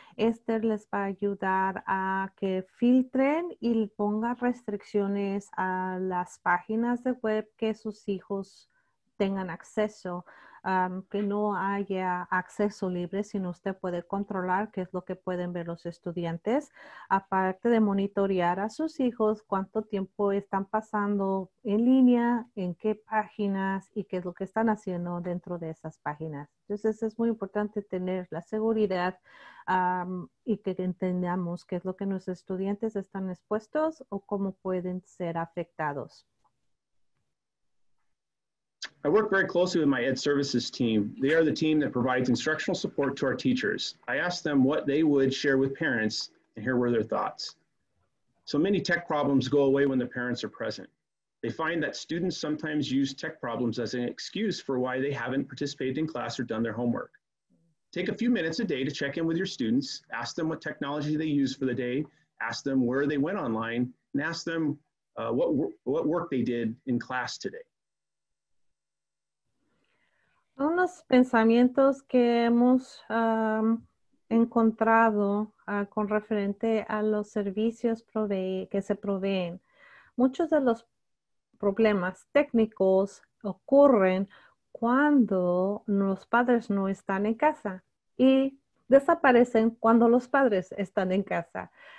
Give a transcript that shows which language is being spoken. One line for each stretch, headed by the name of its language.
Spanish: Este les va a ayudar a que filtren y pongan restricciones a las páginas de web que sus hijos tengan acceso, que no haya acceso libre, sino usted puede controlar qué es lo que pueden ver los estudiantes, aparte de monitorear a sus hijos cuánto tiempo están pasando en línea, en qué páginas y qué es lo que están haciendo dentro de esas páginas. Entonces es muy importante tener la seguridad y que entendamos qué es lo que nuestros estudiantes están expuestos o cómo pueden ser afectados.
English: I work very closely with my Ed Services team. They are the team that provides instructional support to our teachers. I asked them what they would share with parents, and here were their thoughts. So many tech problems go away when the parents are present. They find that students sometimes use tech problems as an excuse for why they haven't participated in class or done their homework. Take a few minutes a day to check in with your students, ask them what technology they use for the day, ask them where they went online, and ask them what work they did in class today.
Spanish: Unos pensamientos que hemos encontrado con referente a los servicios que se proveen. Muchos de los problemas técnicos ocurren cuando los padres no están en casa y desaparecen cuando los padres están en casa.